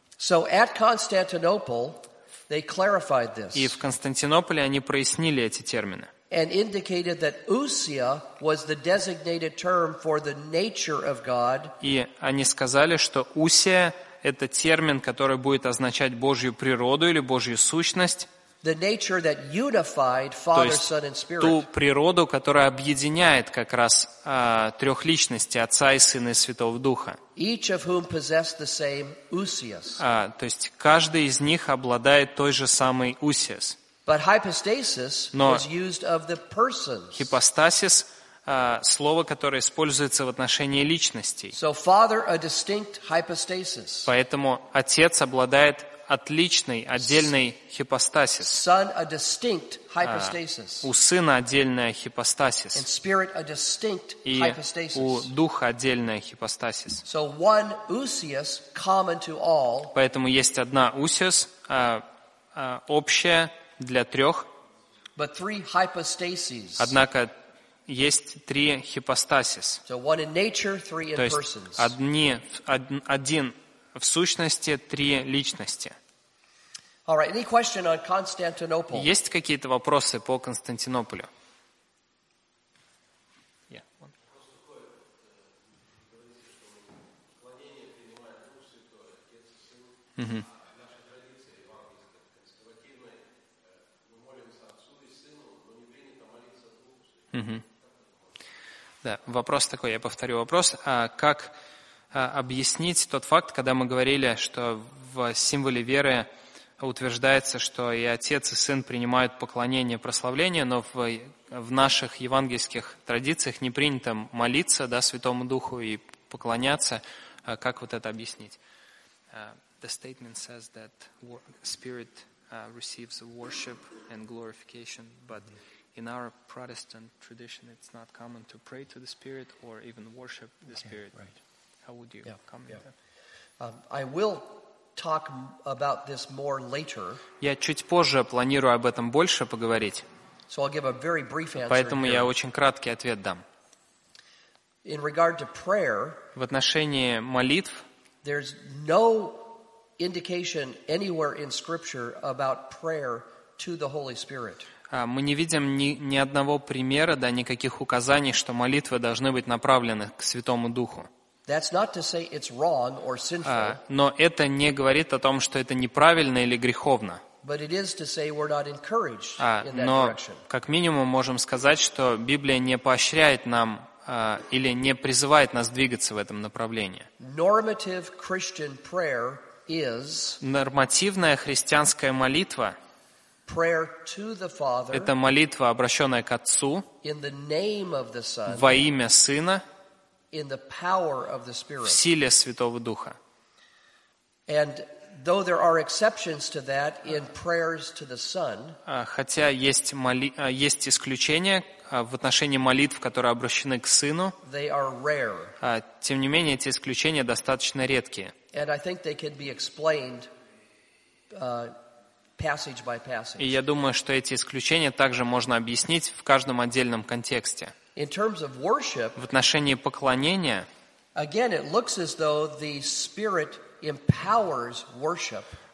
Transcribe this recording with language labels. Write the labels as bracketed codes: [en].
[en] So at Constantinople, they clarified this. [ru] И в Константинополе они прояснили эти термины. [en] And indicated that ousia was the designated term for the nature of God. [ru] И они сказали, что усия — это термин, который будет означать Божью природу или Божью сущность. [en] The nature that unified Father, Son, and Spirit. [ru] То есть ту природу, которая объединяет как раз трех личностей — Отца и Сына и Святого Духа. [en] Each of whom possessed the same ousias. [ru] То есть каждый из них обладает той же самой ousias. [en] But hypostasis was used of the persons. [ru] Но hypostasis — слово, которое используется в отношении личностей. [en] So Father — a distinct hypostasis. [ru] Поэтому Отец обладает отличной, отдельной хипостасис. [en] Son, a distinct hypostasis. [ru] У Сына отдельная хипостасис. [en] And Spirit, a distinct hypostasis. [ru] И у Духа отдельная хипостасис. [en] So one ousias common to all. [ru] Поэтому есть одна ousias, общая для трех. [en] But three hypostases. [ru] Однако есть три хипостасис. [en] So one in nature, three in persons. [ru] То есть один в сущности, три личности. [en] All right, any question on Constantinople? [ru] Есть какие-то вопросы по Константинополю? Да, вопрос такой, я повторю вопрос. А как объяснить тот факт, когда мы говорили, что в символе веры утверждается, что и Отец, и Сын принимают поклонение и прославление, но в наших евангельских традициях не принято молиться, да, Святому Духу и поклоняться. Как вот это объяснить? [en] The statement says that Spirit receives worship and glorification, but in our Protestant tradition it's not common to pray to the Spirit or even worship the Spirit. Okay, right. How would you comment? I will talk about this more later. [ru] Я чуть позже планирую об этом больше поговорить. [en] So I'll give a very brief answer. [ru] Поэтому я очень краткий ответ дам. [en] In regard to prayer, [ru] в отношении молитв, [en] there's no indication anywhere in Scripture about prayer to the Holy Spirit. [ru] Мы не видим ни одного примера, да, никаких указаний, что молитвы должны быть направлены к Святому Духу. [en] That's not to say it's wrong or sinful. [ru] Но это не говорит о том, что это неправильно или греховно. [en] But it is to say we're not encouraged in that direction. [ru] Но как минимум можем сказать, что Библия не поощряет нам или не призывает нас двигаться в этом направлении. [en] Normative Christian prayer is. [ru] Нормативная христианская молитва. [en] Prayer to the Father. [ru] Это молитва, обращенная к Отцу. [en] In the name of the Son. [ru] Во имя Сына. [en] In the power of the Spirit. [ru] В силе Святого Духа. [en] And though there are exceptions to that in prayers to the Son, [ru] хотя есть есть исключения в отношении молитв, которые обращены к Сыну, [en] they are rare. [ru] Тем не менее, эти исключения достаточно редкие. [en] And I think they can be explained passage by passage. [ru] И я думаю, что эти исключения также можно объяснить в каждом отдельном контексте. [en] In terms of worship, [ru] в отношении поклонения, [en] again, it looks as though the Spirit empowers worship.